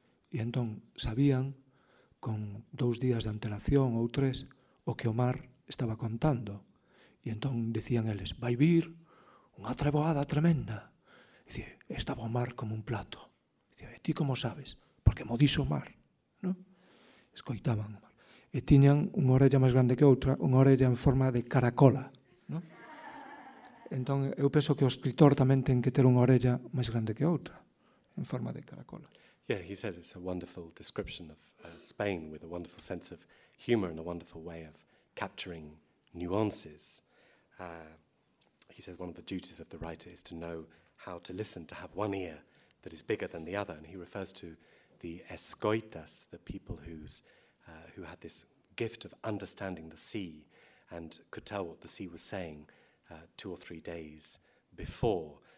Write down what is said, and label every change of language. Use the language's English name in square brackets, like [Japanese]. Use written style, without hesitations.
[Spanish] Y entonces sabían, con dos días de antelación o tres, [Galician] o que o mar estaba contando. [Spanish] Y entonces decían ellos, va a vivir una treboada tremenda. Y dice, [Galician] estaba o mar como un plato. [Spanish] Y dice, ¿tú cómo sabes? [Galician] Porque mo dixo o mar, ¿no? Escoitaban o mar. E tiñan unha orella máis grande que outra, unha orella en forma de caracola, ¿no? Entón, eu penso que o escritor tamén ten que ter unha orella máis grande que outra, en forma de caracola. [English] Yeah, he says it's a wonderful description of Spain with a wonderful sense of humor and a wonderful way of capturing nuances. He says one of the duties of the writer is to know how to listen, to have one ear that is bigger than the other, and he refers to the escoitas, the people who had this gift of understanding the sea and could tell what the sea was saying two or three days before.